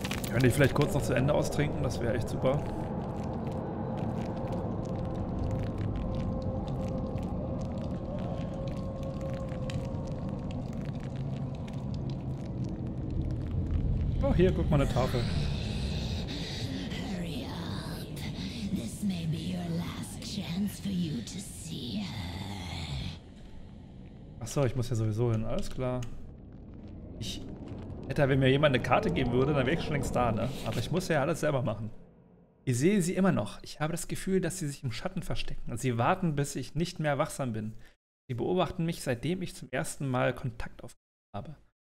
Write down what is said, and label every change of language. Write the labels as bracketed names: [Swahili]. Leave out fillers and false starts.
[German] Könnte ich vielleicht kurz noch zu Ende austrinken, das wäre echt super. Hier, guck mal, eine Tafel. [English] Hurry up. This may be your last chance for you to see her. [German] Achso, ich muss ja sowieso hin. Alles klar. Ich hätte, wenn mir jemand eine Karte geben würde, dann wäre ich schon längst da, ne? Aber ich muss ja alles selber machen. Ich sehe sie immer noch. Ich habe das Gefühl, dass sie sich im Schatten verstecken. Sie warten, bis ich nicht mehr wachsam bin. Sie beobachten mich, seitdem ich zum ersten Mal Kontakt aufgenommen habe.